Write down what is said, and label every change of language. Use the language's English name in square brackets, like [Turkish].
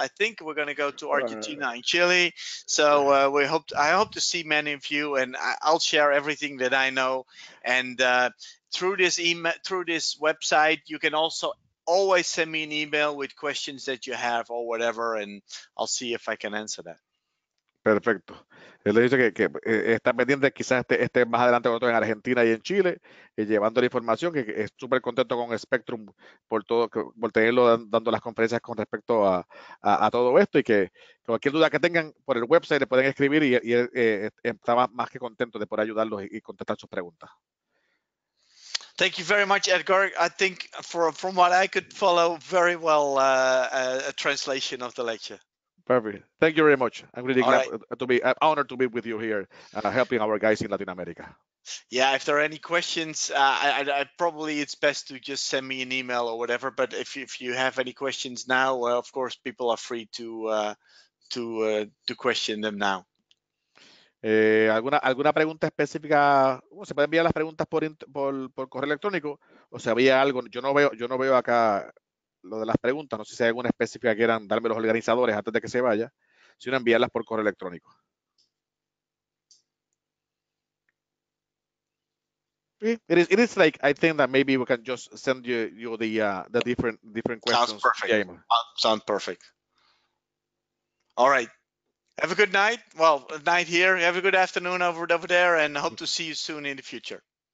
[English] I think we're going to go to Argentina and Chile. So I hope to see many of you, and I'll share everything that I know. And through this website, you can also always send me an email with questions that you have or whatever, and I'll see if I can answer that. [Spanish] Perfecto. Él le dice que está pendiente, quizás esté más adelante con nosotros en Argentina y en Chile, llevando la información, que es súper contento con Spectrum por tenerlo dando las conferencias con respecto a todo esto, y que cualquier duda que tengan por el website le pueden escribir, y él está más que contento de poder ayudarlos y contestar sus preguntas. [English] Thank you very much, Edgar. I think from what I could follow very well a translation of the lecture. Perfect. Thank you very much. I'm really I'm honored to be with you here, helping our guys in Latin America. Yeah, if there are any questions, I probably it's best to just send me an email or whatever. But if you have any questions now, well, of course, people are free to question them now. [Spanish] ¿Alguna pregunta específica? Se pueden enviar las preguntas por correo electrónico, o se había algo. Yo no veo acá lo de las preguntas. No sé si hay alguna específica que quieran darme los organizadores antes de que se vaya, sino enviarlas por correo electrónico. [English] It is like, I think that maybe we can just send you the different questions. Sounds perfect. Sounds perfect. All right. Have a good night. Well, night here. Have a good afternoon over there, and hope to see you soon in the future.